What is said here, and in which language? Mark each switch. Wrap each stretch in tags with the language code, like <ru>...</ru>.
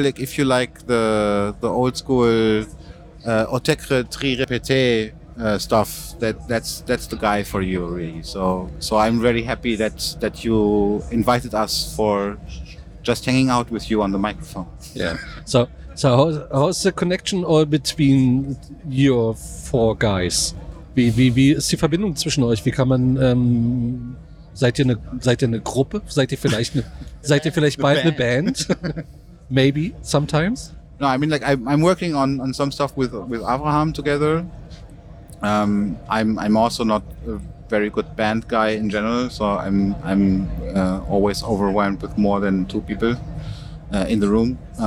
<en>Like if you like the old school Otekre Tri Repete stuff, that's the guy for you, really. So I'm really happy that you invited us for just hanging out with you on the microphone. Yeah. So how's the connection all between your four guys?</en> <de>Wie ist die Verbindung zwischen euch? Wie kann man seid ihr eine Gruppe? Seid ihr vielleicht bald eine Band?</de> <en>Maybe sometimes. No, I mean like I'm working on some stuff with Avraham together. I'm also not a very good band guy in general, so I'm always overwhelmed with more than two people in the room.</en>